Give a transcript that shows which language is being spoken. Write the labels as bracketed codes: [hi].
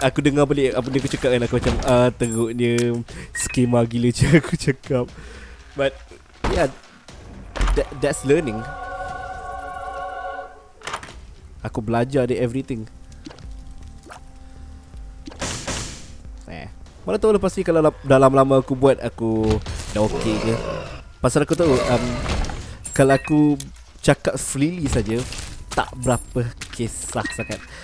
[ms] Aku dengar balik apa dia aku cakap kan, aku macam teruknya skema gila je aku cakap. [en] But yeah, that's learning. [ms] Aku belajar dari everything. Mana tahu lepas ni kalau dah lama-lama aku buat, aku dah okay ke. Pasal aku tahu kalau aku cakap freely saja, tak berapa kisah sangat.